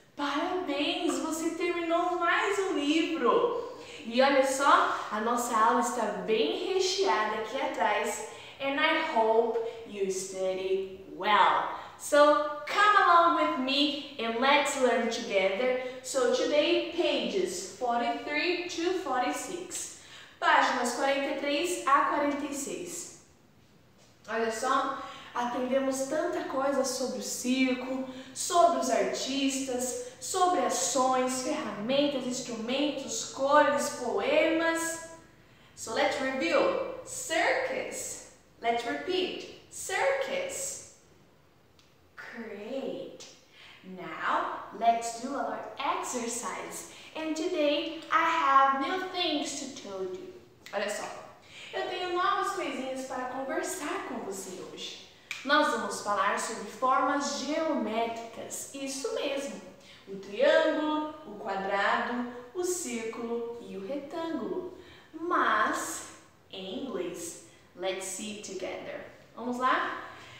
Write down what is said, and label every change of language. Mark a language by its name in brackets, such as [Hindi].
[Portuguese] Parabéns, você terminou mais um livro. E olha só, a nossa aula está bem recheada aqui atrás. [English] And I hope you study well. So come along with me and let's learn together. So today, pages 43 to 46. [Portuguese] Páginas 43 a 46. Olha só, aprendemos tanta coisa sobre o circo, sobre os artistas, sobre ações, ferramentas, instrumentos, cores, poemas. [English] So let's review. Circus. Let's repeat. Circus. Great. Now, let's do our exercise. And today, I have new things to tell you. [Portuguese] Olha só. Eu tenho novas coisinhas para conversar com você hoje. Nós vamos falar sobre formas geométricas. Isso mesmo. O triângulo, o quadrado, o círculo e o retângulo. Mas, em inglês, [English] let's see together. [Portuguese] Vamos lá?